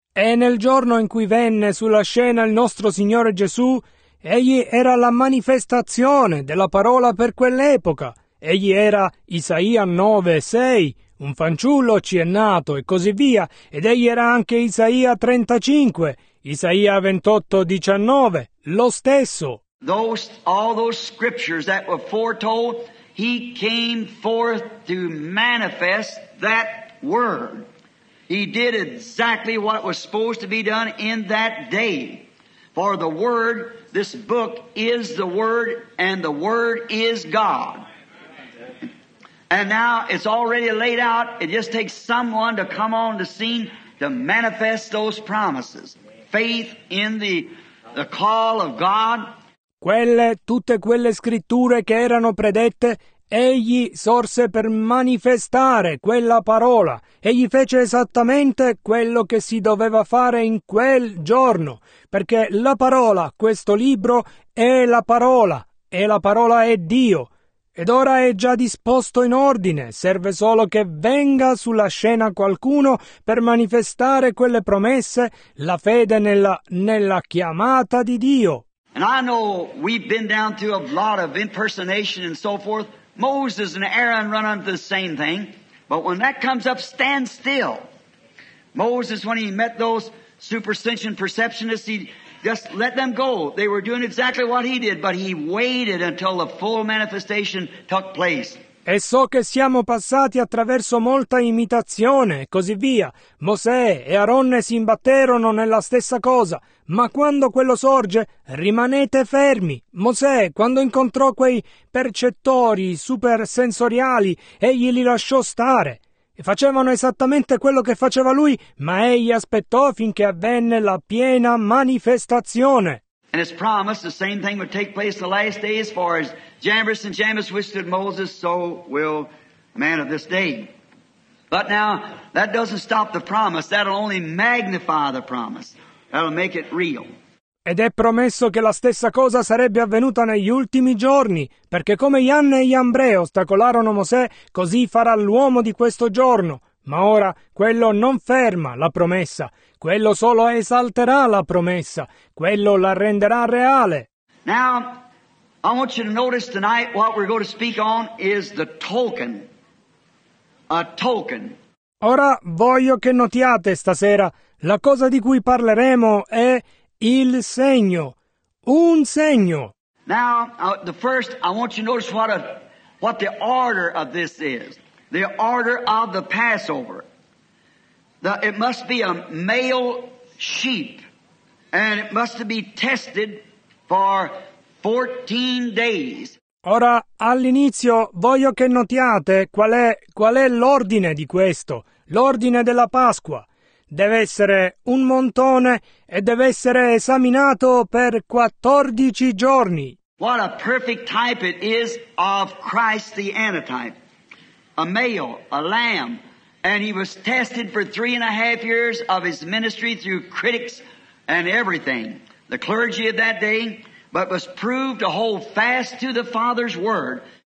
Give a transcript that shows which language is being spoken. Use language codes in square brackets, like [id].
[it] E nel giorno in cui venne sulla scena il nostro Signore Gesù, Egli era la manifestazione della parola per quell'epoca. Egli era Isaia 9:6, un fanciullo ci è nato e così via, ed Egli era anche Isaia 35, Isaia 28:19, lo stesso. [en] All those scriptures that were foretold, He came forth to manifest that word. He did exactly what was supposed to be done in that day. For the Word, this book, is the Word, and the Word is God. And now it's already laid out. It just takes someone to come on the scene to manifest those promises. Faith in the call of God. [it] Quelle, tutte quelle scritture che erano predette, Egli sorse per manifestare quella parola. Egli fece esattamente quello che si doveva fare in quel giorno. Perché la parola, questo libro, è la parola. E la parola è Dio. Ed ora è già disposto in ordine. Serve solo che venga sulla scena qualcuno per manifestare quelle promesse, la fede nella chiamata di Dio. [en] And I know we've been down to a lot of impersonation and so forth. Moses and Aaron run into the same thing, but when that comes up, stand still. Moses, when he met those supersensitive perceptionists, he just let them go. They were doing exactly what he did, but he waited until the full manifestation took place. [it] E so che siamo passati attraverso molta imitazione e così via. Mosè e Aaron si imbatterono nella stessa cosa. Ma quando quello sorge, rimanete fermi. Mosè, quando incontrò quei percettori supersensoriali, egli li lasciò stare. e facevano esattamente quello che faceva lui, ma egli aspettò finché avvenne la piena manifestazione. [en] And it's promised the same thing would take place the last day, as far as Jabez and Jabez withstood Moses, so will man of this day. But now, that doesn't stop the promise, that'll only magnify the promise, that'll make it real. [it] Ed è promesso che la stessa cosa sarebbe avvenuta negli ultimi giorni, perché come Ianne e Iambre ostacolarono Mosè, così farà l'uomo di questo giorno. Ma ora, quello non ferma la promessa, quello solo esalterà la promessa, quello la renderà reale. [en] Now, I want you to notice tonight what we're going to speak on is the token. A token. [it] Ora voglio che notiate stasera, la cosa di cui parleremo è il segno, un segno. [en] Now, the first, I want you to notice what the order of this is. The order of the Passover. It must be a male sheep, and it must be tested for 14 days. [it] Ora, all'inizio, voglio che notiate qual è l'ordine di questo, l'ordine della Pasqua. Deve essere un montone e deve essere esaminato per 14 giorni. [en] What a perfect type it is of Christ the antitype. A male, a lamb, and he was tested for 3.5 years of his ministry through critics and everything, the clergy of that day, but was proved to hold fast to the Father's word.